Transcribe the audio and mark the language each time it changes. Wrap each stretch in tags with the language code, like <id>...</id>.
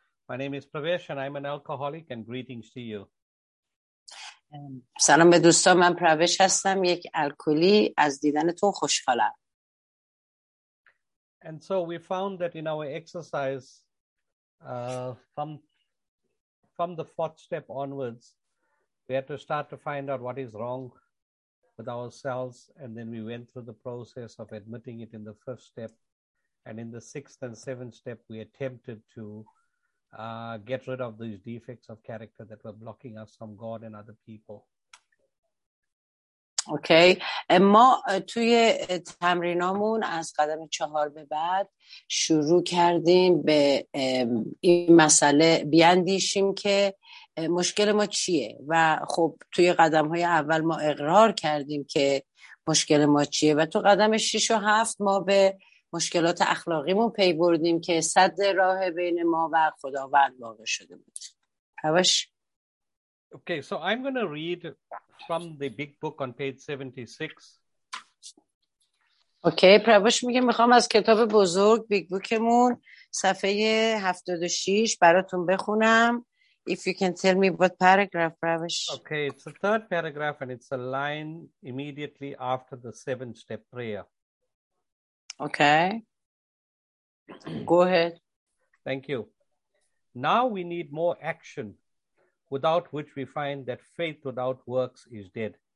<en>My name is Pravesh and I'm an alcoholic and greetings to you.</en> <fa>سلام به دوستان، من پرویش هستم، یک الکلی، از دیدن تو خوشحالم.</fa> <en>And so we found that in our exercise from the fourth step onwards we had to start to find out what is wrong with ourselves and then we went through the process of admitting it in the fifth step and in the sixth and seventh step we attempted to get rid of these defects of character that were blocking us from God and other people. Okay.</en> <fa>ما توی تمرینامون از قدم چهار به بعد شروع کردیم به این مسئله بیاندیشیم که مشکل ما چیه و خب توی قدم های اول ما اقرار کردیم که مشکل ما چیه و تو قدم 6 و 7 ما به مشکلات اخلاقیمون پی بردیم که سد راه بین ما و خداوند واقع شده بود. حواش.</fa> <en>Okay, so I'm going to read from the big book on page 76.</en> <fa>Okay, پرواش میگه میخوام از کتاب بزرگ بیگ بوکمون صفحه 76 براتون بخونم.</fa> <en>If you can tell me what paragraph, پرواش. Okay, it's the third paragraph and it's a line immediately after the seventh step prayer. Okay. Go ahead. Thank you. Now we need more action, without which we find that faith without works is dead.</en>